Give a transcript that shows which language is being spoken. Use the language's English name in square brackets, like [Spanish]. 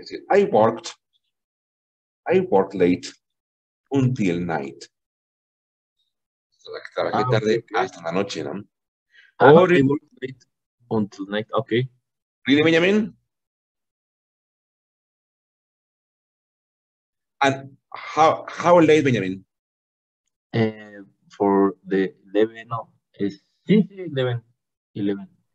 [English] I worked late until night. [Spanish] Trabajé tarde hasta la noche, ¿no? [English] I worked late until night. Okay. Really, Benjamin? And how late, Benjamin? For the 11, no. Sí, 11. 11.